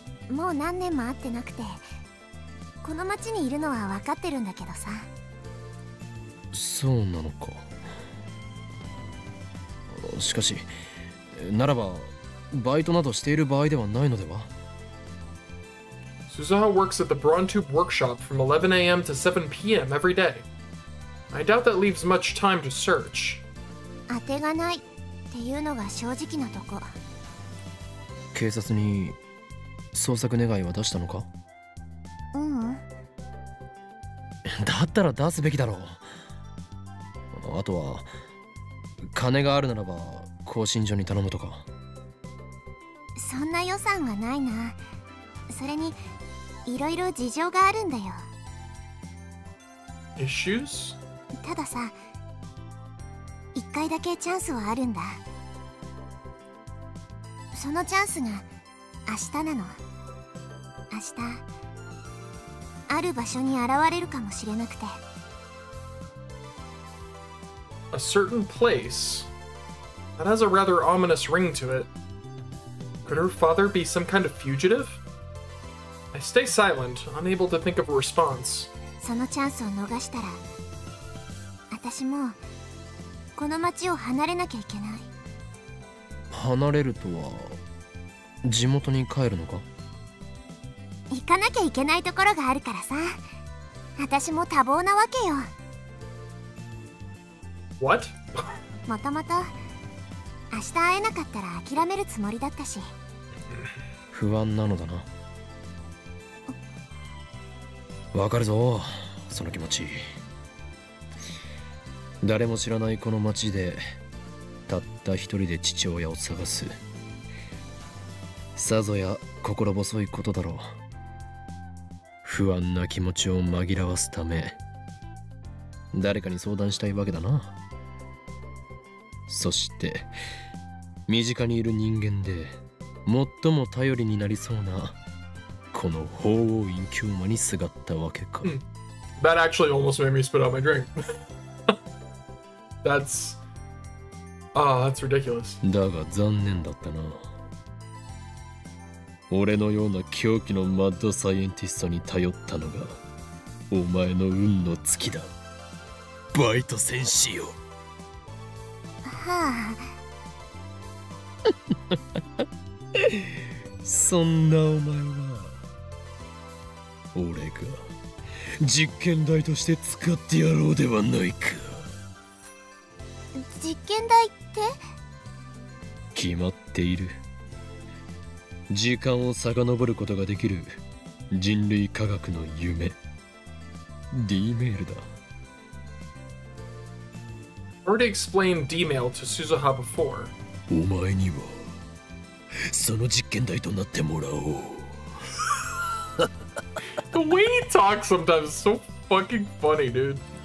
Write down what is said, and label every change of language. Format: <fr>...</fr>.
<ja>もう何年も会ってなくて、この町にいるのは分かってるんだけどさ。そうなのか。しかし、ならばバイトなどしている場合ではないのでは。</ja> <en>Suzuha works at the Braun Tube Workshop from 11 a.m. to 7 p.m. every day. I doubt that leaves much time to search.</en> <ja>当てがないっていうのが正直なとこ。警察に捜索願いは出したのか。ううん。だったら出すべきだろう。あとは金があるならば更新所に頼むとか。そんな予算はないな。それにいろいろ事情があるんだよ。</ja> <en>Issues?</en> <ja>たださ、一回だけチャンスはあるんだ。そのチャンスが明日なの。明日、ある場所に現れるかもしれなくて。</ja> <en>A certain place that has a rather ominous ring to it. Could her father be some kind of fugitive? I stay silent, unable to think of a response.</en> <ja>そのチャンスを逃したら、私もこの町を離れなきゃいけない。離れるとは地元に帰るのか。行かなきゃいけないところがあるからさ。私も多忙なわけよ。</ja> <en>What?</en> <ja>もともと明日会えなかったら諦めるつもりだったし。不安なのだな。わかるぞその気持ち。誰も知らないこの町でたった一人で父親を探す、さぞや心細いことだろう。不安な気持ちを紛らわすため誰かに相談したいわけだな。そして身近にいる人間で最も頼りになりそうなこの鳳凰院教魔にすがったわけか。</ja> <en>That actually almost made me spit out my drink. That's... Ah, that's ridiculous.</en> <ja>だが残念だったな。俺のような狂気のマッドサイエンティストに頼ったのがお前の運の月だ。バイト戦士よ。はあ。そんなお前は俺が実験台として使ってやろうではないか。実験台って決まっている。時間を遡ることができる人類科学の夢、 D メールだ。</ja> <en>I already explained D mail to Suzuha before.</en> <ja>お前にはその実験台となってもらおう。</ja> <en>The way he talks sometimes is so fucking funny, dude.</en>